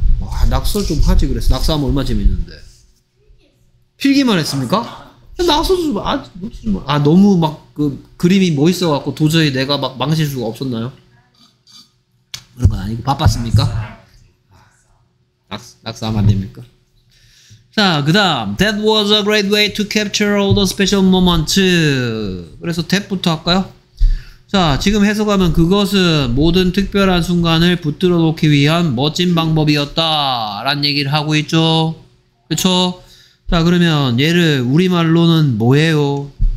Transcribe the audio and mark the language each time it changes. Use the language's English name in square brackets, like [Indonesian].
[Korean] 와, 낙서 좀 하지 그랬어. 낙서하면 얼마 재밌는데. 필기만 했습니까? 낙서도 좀, 아, 너무 막 그 그림이 멋있어갖고 도저히 내가 막 망칠 수가 없었나요? 그런 건 아니고 바빴습니까? 낙서하면 안 됩니까? 자, 그 다음 [English] That was a great way to capture all the special moments. [Korean] 그래서 that부터 할까요? 자, 지금 해석하면 그것은 모든 특별한 순간을 붙들어 놓기 위한 멋진 방법이었다 라는 얘기를 하고 있죠. 그쵸? 자, 그러면 얘를 우리말로는 뭐예요?